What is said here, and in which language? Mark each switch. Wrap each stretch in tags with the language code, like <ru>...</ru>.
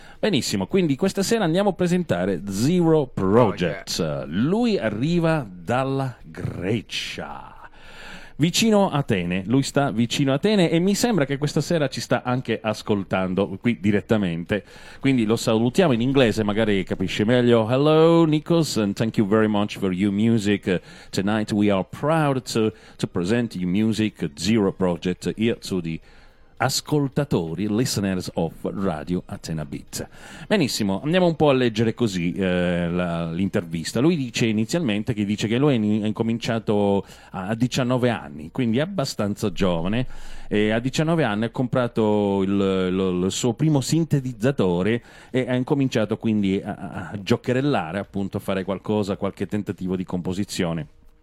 <it>Benissimo, quindi questa sera andiamo a presentare Zero Project. Oh, yeah. Lui arriva dalla Grecia, vicino Atene. Lui sta vicino Atene e mi sembra che questa sera ci sta anche ascoltando qui direttamente. Quindi lo salutiamo in inglese, magari capisce meglio.</it> <en>Hello Nikos, and thank you very much for your music. Tonight we are proud to present your music, Zero Project, here to the ascoltatori, listeners of Radio Atena Beat.</en> <it>Benissimo, andiamo un po' a leggere così l'intervista. Lui dice inizialmente che dice che lui ha incominciato a 19 anni, quindi abbastanza giovane, e a 19 anni ha comprato il suo primo sintetizzatore e ha incominciato quindi a giocherellare, appunto a fare qualcosa, qualche tentativo di composizione.</it>